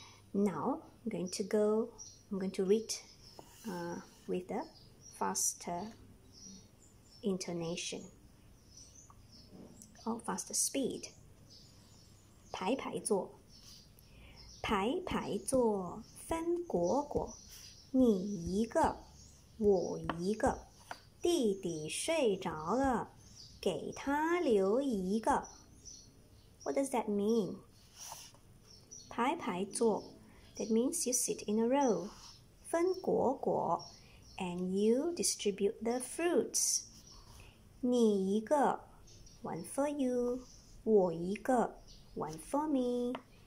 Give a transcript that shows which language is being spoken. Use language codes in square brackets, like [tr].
[en] Now, I'm going to read with a faster intonation or faster speed. [zh] 排排坐, 排排坐, 分果果, 你一个, 我一个, 弟弟睡着了, 给他留一个. [en] What does that mean? [zh] 排排坐, [en] that means you sit in a row. [zh] 分果果, [en] and you distribute the fruits. [zh] 你一个, [en] one for you. [zh] 我一个, [en] one for me.